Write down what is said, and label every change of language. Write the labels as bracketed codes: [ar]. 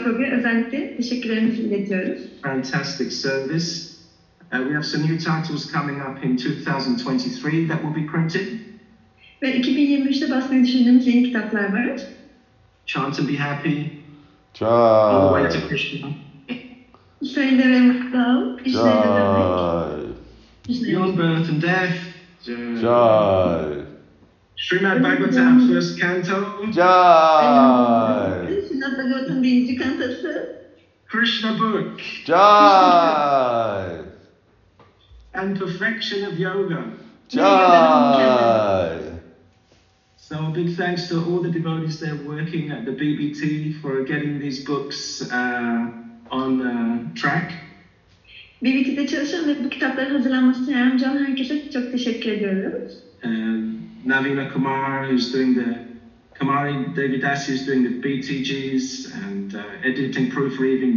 [en] Fantastic service. We have some new titles coming up in 2023 that will be printed. [tr] Ve 2023'te basmayı düşündüğümüz yeni kitaplar var. [en] Chant and be happy. Jai. All the way to Krishna. Srinivasa. Jai. Beyond birth and death. Jai. Srimad Bhagavatam, first canto. Jai. [tr] Srimad Bhagavatam, birinci kantası. [en] Krishna book. Jai. And perfection of yoga. Jai. So a big thanks to all the devotees there working at the BBT for getting these books on track. [tr] BBT'de çalışan ve bu kitapların hazırlanmasına yardımcı olan herkese çok teşekkür ediyoruz. [en] Navina Kumar is doing the Kumari Devidas is doing the BTGs and editing, proofreading.